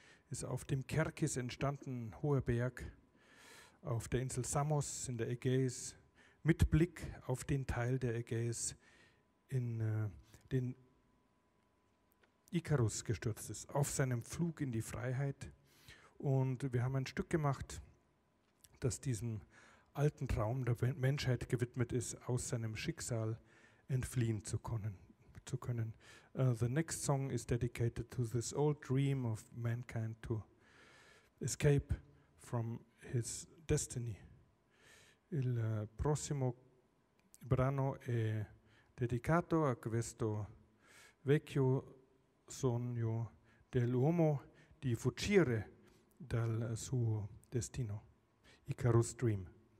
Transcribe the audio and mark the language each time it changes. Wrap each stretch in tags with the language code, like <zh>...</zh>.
<de>Ist auf dem Kerkis entstanden, ein hoher Berg auf der Insel Samos in der Ägäis, mit Blick auf den Teil der Ägäis, in den Ikarus gestürzt ist, auf seinem Flug in die Freiheit. Und wir haben ein Stück gemacht, das diesem alten Traum der Menschheit gewidmet ist, aus seinem Schicksal entfliehen zu können.</de> <en>The next song is dedicated to this old dream of mankind to escape from his destiny.</en> <it>Il prossimo brano è dedicato a questo vecchio sogno dell'uomo di fuggire dal suo destino, Icarus Dream.</it>